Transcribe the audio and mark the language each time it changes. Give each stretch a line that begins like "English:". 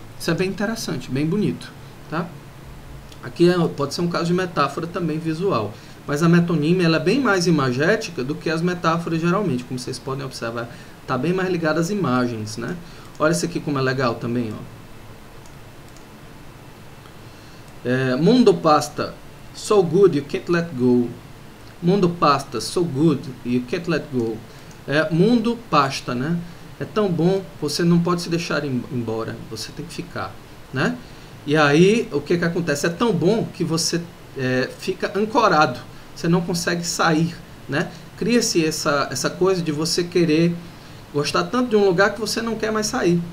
Portuguese: Isso é bem interessante, bem bonito, tá? Aqui pode ser um caso de metáfora também visual. Mas a metonímia, ela é bem mais imagética do que as metáforas geralmente, como vocês podem observar. Está bem mais ligada às imagens, né? Olha isso aqui como é legal também, ó.
English: Mundo pasta, so good you can't let go. Mundo pasta, so good you can't let go.
Portuguese: Mundo pasta, né? É tão bom, você não pode se deixar embora, você tem que ficar, né? E aí, o que que acontece? É tão bom que você fica ancorado. Você não consegue sair, né? Cria-se essa coisa de você querer gostar tanto de um lugar que você não quer mais sair.